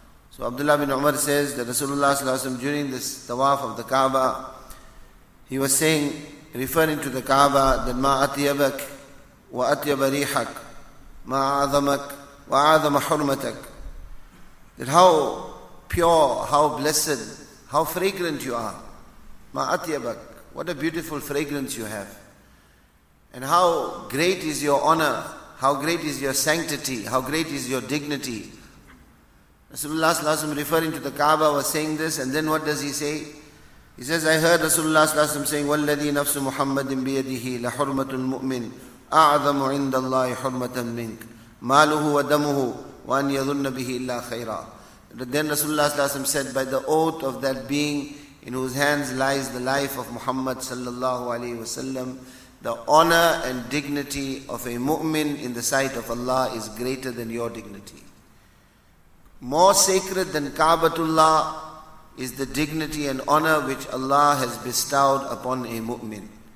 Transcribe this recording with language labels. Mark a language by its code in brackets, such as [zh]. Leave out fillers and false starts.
[en] So Abdullah bin Umar says that Rasulullah صلى الله عليه وسلم during this tawaf of the Kaaba, he was saying, referring to the Kaaba, that [ar] ma atyabak wa atyaba rihak ma aadhamak wa aadhama hurmatak, [en] that how pure, how blessed, how fragrant you are. [ar] Ma atyabak, [en] what a beautiful fragrance you have. And how great is your honor, how great is your sanctity, how great is your dignity. Rasulullah referring to the Kaaba was saying this, and then what does he say? He says, I heard Rasulullah sallallahu alayhi wa sallam saying, [ar] وَالَّذِي نَفْسُ مُحَمَّدٍ بِيَدِهِ لَحُرْمَةُ الْمُؤْمِنِ أَعْظَمُ عِنْدَ اللَّهِ حُرْمَةً مِنْكَ مَالُهُ وَدَمُهُ وَأَنْ يَظُنَّ بِهِ إِلَّا خَيْرًا. [en] Then Rasulullah sallallahu alayhi wa sallam said, by the oath of that being in whose hands lies the life of Muhammad sallallahu alayhi wa sallam, the honor and dignity of a mu'min in the sight of Allah is greater than your dignity. More sacred than Kaabatullah is the dignity and honor which Allah has bestowed upon a mu'min.